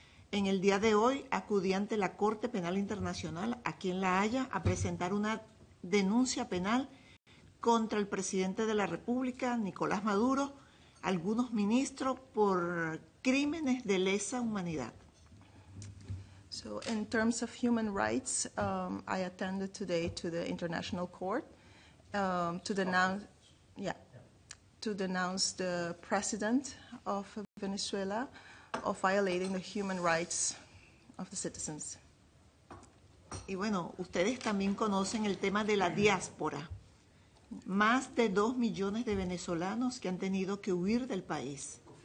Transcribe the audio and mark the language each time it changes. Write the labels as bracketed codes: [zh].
[es] En el día de hoy, acudí ante la Corte Penal Internacional, aquí en La Haya, a presentar una denuncia penal contra el presidente de la República, Nicolás Maduro, algunos ministros por crímenes de lesa humanidad. [en] So, in terms of human rights, I attended today to the International Court to denounce the president of Venezuela of violating the human rights of the citizens. [es] Y bueno, ustedes también conocen el tema de la diáspora. Más de 2 millones de venezolanos que han tenido que huir del país.